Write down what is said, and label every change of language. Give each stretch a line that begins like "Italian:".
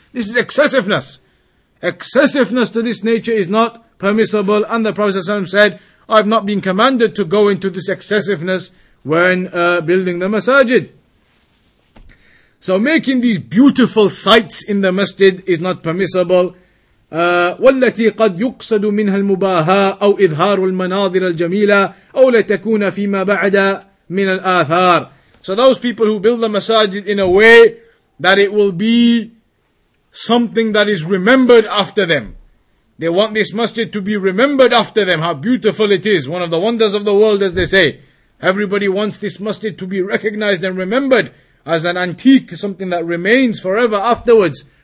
English: This is excessiveness. Excessiveness to this nature is not permissible. And the Prophet ﷺ said, I've not been commanded to go into this excessiveness when building the masajid. So making these beautiful sites in the masjid is not permissible.
Arabic: والتي قد يقصد منها المباهاة أو إظهار المناظر الجميلة أو لتكون فيما بعد من الآثار.
English: So those people who build the masajid in a way that it will be something that is remembered after them. They want this masjid to be remembered after them, how beautiful it is. One of the wonders of the world, as they say. Everybody wants this masjid to be recognized and remembered as an antique, something that remains forever afterwards.